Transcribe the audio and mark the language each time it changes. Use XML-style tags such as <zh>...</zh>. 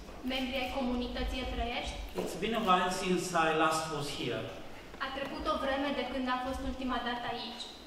<ro>membri ai comunității Evreiești.</ro> <en>It's been a while since I last was here.</en> <ro>A trecut o vreme de când a fost ultima dată aici.</ro>